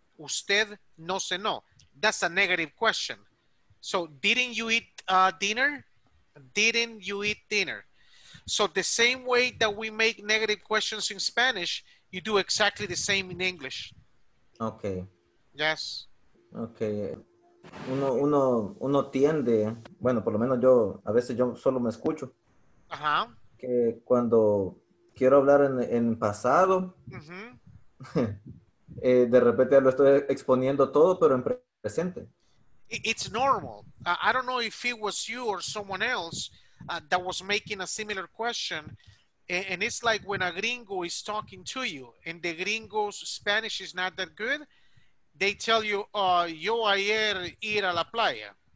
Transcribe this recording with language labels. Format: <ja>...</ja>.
<es>Usted no cenó.</es> <en>That's a negative question. So didn't you eat dinner? Didn't you eat dinner? So the same way that we make negative questions in Spanish, you do exactly the same in English. Okay. Yes. Okay.</en> <es>Uno tiende, bueno, por lo menos yo, a veces yo solo me escucho. Ajá. Que cuando quiero hablar en pasado, de repente lo estoy exponiendo todo, pero en presente.</es> <en>It's normal. I don't know if it was you or someone else that was making a similar question. And it's like when a gringo is talking to you and the gringo's Spanish is not that good. They tell you,</en> <es>yo ayer ir a la playa.</es>